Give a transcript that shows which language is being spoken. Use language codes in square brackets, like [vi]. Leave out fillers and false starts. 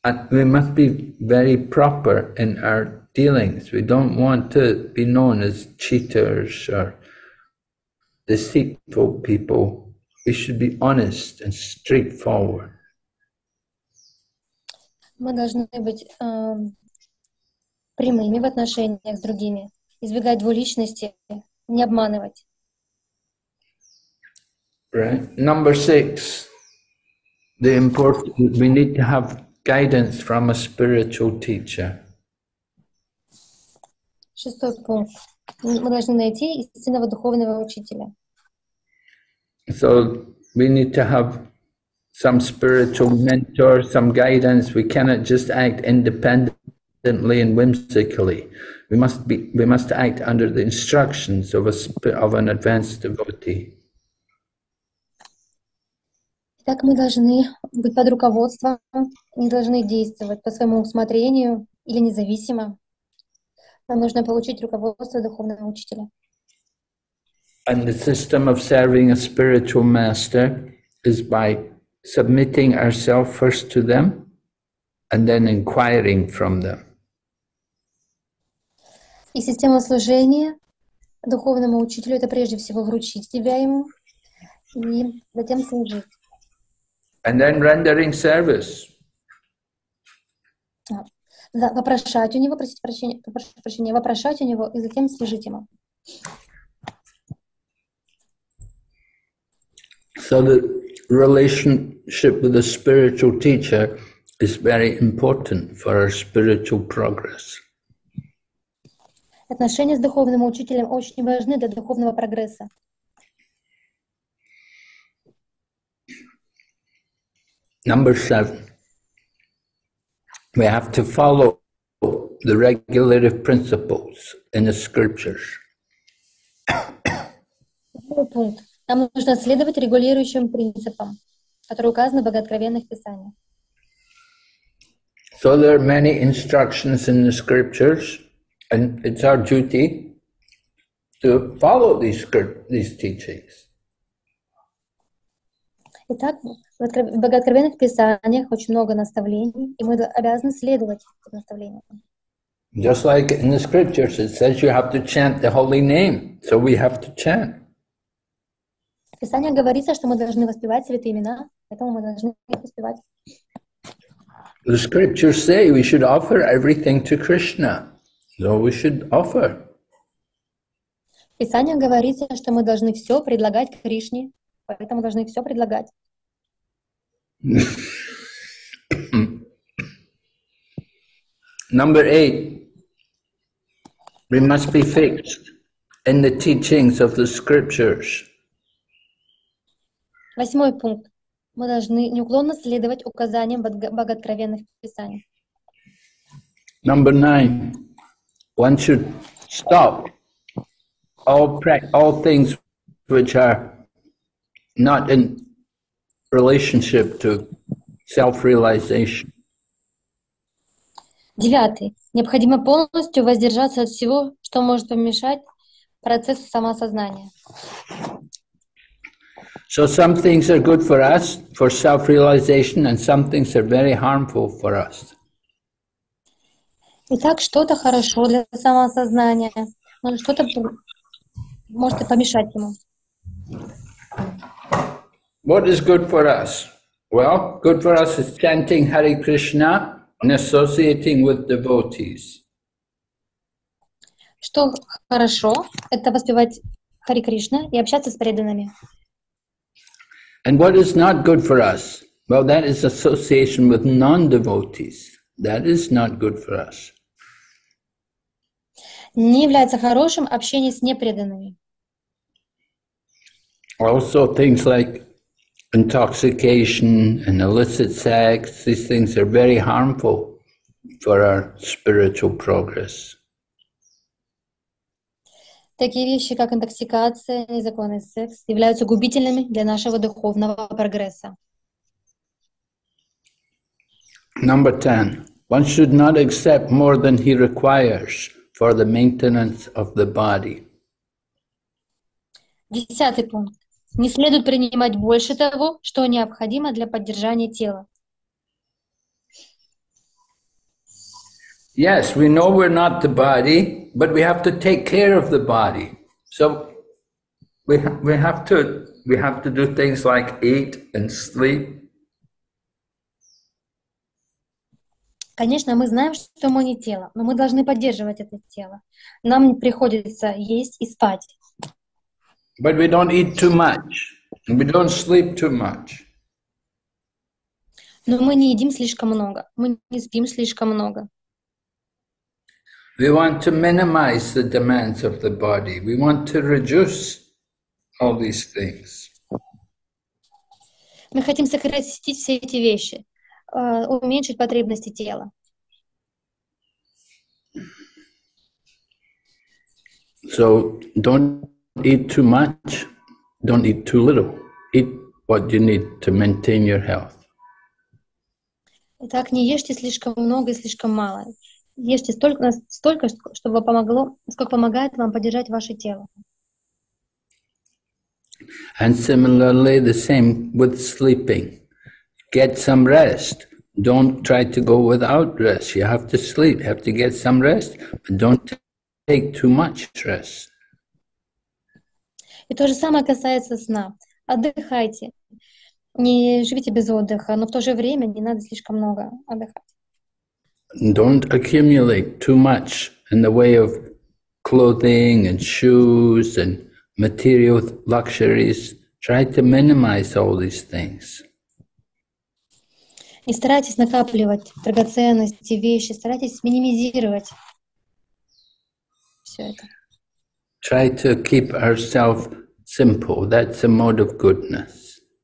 [en] We must be very proper in our dealings. We don't want to be known as cheaters or deceitful people. We should be honest and straightforward. [ru] Мы должны быть прямыми в отношениях с другими, избегать двуличности, не обманывать. [en] Right. Number six. The important. We need to have guidance from a spiritual teacher. [ru] Шестой пункт. Мы должны найти истинного духовного учителя. [en] So we need to have some spiritual mentor, some guidance. We cannot just act independently and whimsically. We must act under the instructions of an advanced devotee. [ru] Итак, мы должны быть под руководством, не должны действовать по своему усмотрению или независимо. Нам нужно получить руководство духовного учителя. [en] And the system of serving a spiritual master is by submitting ourselves first to them and then inquiring from them. [ru] И система служения духовному учителю — это прежде всего вручить себя ему и затем служить. [en] And then rendering service. [ru] Вопрошать у него, прошу прощения, вопрошать у него и затем служить ему. [en] So the relationship with the spiritual teacher is very important for our spiritual progress. [ru] Отношения с духовным учителем очень важны для духовного прогресса. [en] Number seven. We have to follow the regulative principles in the scriptures. [ru] Пункт. Нам нужно следовать регулирующим принципам, которые указаны в богооткровенных писаниях. [en] So there are many instructions in the scriptures. And it's our duty to follow these teachings. [ru] Итак, в богооткровенных писаниях очень много наставлений, и мы обязаны следовать этим наставлениям. [en] Just like in the scriptures, it says you have to chant the holy name, so we have to chant. [ru] В писаниях говорится, что мы должны воспевать святые имена, поэтому мы должны их воспевать. [en] The scriptures say we should offer everything to Krishna. So we should offer. [ru] Писание говорится, что мы должны все предлагать Кришне, поэтому должны все предлагать. [en] Number eight. We must be fixed in the teachings of the scriptures. [ru] Восьмой пункт. Мы должны неуклонно следовать указаниям богооткровенных писаний. [en] Number nine. One should stop all things which are not in relationship to self-realization. [ru] Девятый. Необходимо полностью воздержаться от всего, что может помешать процессу самосознания. [en] So some things are good for us, for self-realization, and some things are very harmful for us. [ru] Итак, что-то хорошо для самосознания, но что-то может помешать ему. [en] What is good for us? Well, good for us is chanting Hare Krishna and associating with devotees. [ru] Что хорошо, это воспевать Хари Кришна и общаться с преданными. [en] And what is not good for us? Well, that is association with non-devotees. That is not good for us. [ru] Не является хорошим общение с непреданными. [en] Also things like intoxication and illicit sex, these things are very harmful for our spiritual progress. [ru] Такие вещи, как интоксикация, незаконный секс, являются губительными для нашего духовного прогресса. [en] Number 10. One should not accept more than he requires. For the maintenance of the body. [ru] Десятый пункт. Не следует принимать больше того, что необходимо для поддержания тела. [en] Yes, we know we're not the body, but we have to take care of the body. So we have to do things like eat and sleep. [ru] Конечно, мы знаем, что мы не тело, но мы должны поддерживать это тело. Нам приходится есть и спать. Но мы не едим слишком много, мы не спим слишком много. [en] We want to minimize the demands of the body. We want to reduce all these things. [ru] Мы хотим сократить все эти вещи, уменьшить потребности тела. [en] So don't eat too much, don't eat too little. Eat What do you need to maintain your health? [ru] Итак, не ешьте слишком много и слишком мало. Ешьте столько, чтобы помогло, сколько помогает вам поддержать ваше тело. [en] And similarly, the same with sleeping. Get some rest. Don't try to go without rest. You have to sleep. You have to get some rest. But don't take too much rest. [ru] И то же самое касается сна. Отдыхайте. Не живите без отдыха, но в то же время не надо слишком много отдыхать. [en] Don't accumulate too much in the way of clothing and shoes and material luxuries. Try to minimize all these things. [ru] Не старайтесь накапливать драгоценности, вещи, старайтесь минимизировать все это. [en] Try to keep ourselves simple. That's a mode of goodness.